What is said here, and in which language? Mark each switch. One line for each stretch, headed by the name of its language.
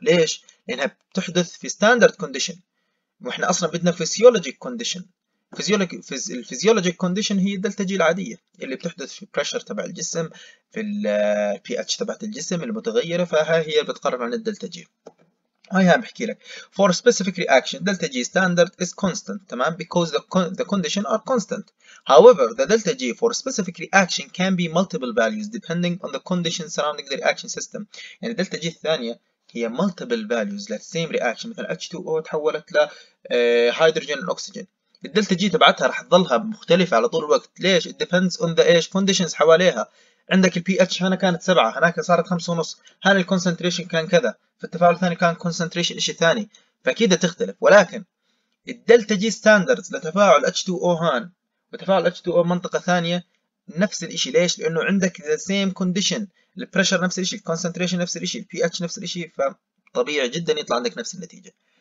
Arabic: ليش؟ لانها بتحدث في ستاندرد كونديشن، واحنا اصلا بدنا فيسيولوجيك كونديشن. الفيزيولوجيك كونديشن هي الدلتا جي العاديه اللي بتحدث في بريشر تبع الجسم، في البي اتش تبعت الجسم المتغيره، فهي هي اللي بتقرر عن الدلتا جي. هاي عم بحكي لك
English: for specific reaction delta G standard is constant.
Arabic: تمام،
English: because the condition are constant. however the delta G for specific reaction can be multiple values depending on the condition surrounding the reaction system.
Arabic: يعني
English: delta G
Arabic: الثانية هي
English: multiple values لل same reaction،
Arabic: مثل H2O تحولت ل
English: hydrogen and oxygen.
Arabic: الدلتا جي تبعتها راح تظلها مختلفة على طول الوقت. ليش؟
English: it depends on the
Arabic: ايش
English: conditions
Arabic: حواليها. عندك البي اتش هنا كانت 7، هناك صارت 5.5، هنا الكونسنتريشن كان كذا، في التفاعل الثاني كان كونسنتريشن شيء ثاني، فاكيد تختلف. ولكن الدلتا جي ستاندردز لتفاعل H2O هان وتفاعل H2O منطقه ثانيه نفس الشيء. ليش؟ لانه عندك ذا سيم كونديشن، البريشر نفس الشيء، الكونسنتريشن نفس الشيء، البي اتش نفس الشيء، فطبيعي جدا يطلع عندك نفس النتيجه.